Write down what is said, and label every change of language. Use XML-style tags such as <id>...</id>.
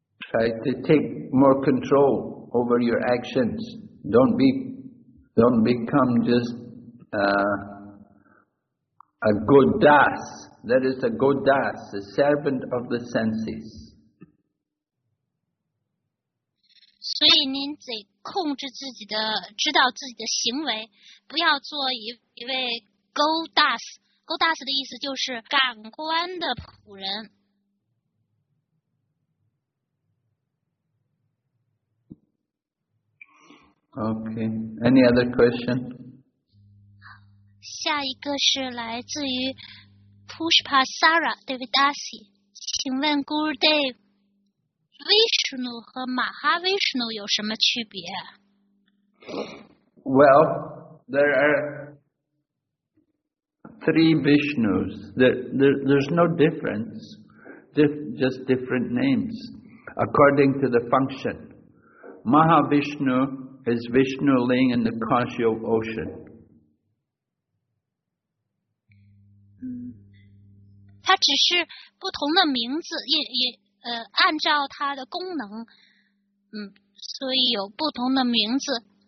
<en>Try to take more control over your actions. Don't become just a godas. That is a godas, a servant of the senses.</en> <zh>所以您得控制自己的，知道自己的行为，不要做一位 godas。 godas 的意思就是感官的仆人。</zh> <en>Okay, any other question?</en> <zh>下一个是来自于 Pushpa Sara Devadasi， 请问 Guru Dev。 Vishnu 和 Mahavishnu 有什么区别？</zh> <en>Well, there are three Vishnus. There's no difference, just different names according to the function. Mahavishnu is Vishnu laying in the causal ocean.</en> <zh>它只是不同的名字，按照它的功能，所以有不同的名字。</zh>